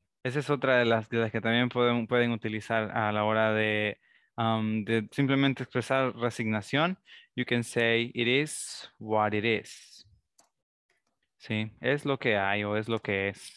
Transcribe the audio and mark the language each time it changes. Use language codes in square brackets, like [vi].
[es] Esa es otra de las que también pueden utilizar a la hora de simplemente expresar resignación. [en] You can say, it is what it is. [es] Sí, es lo que hay o es lo que es.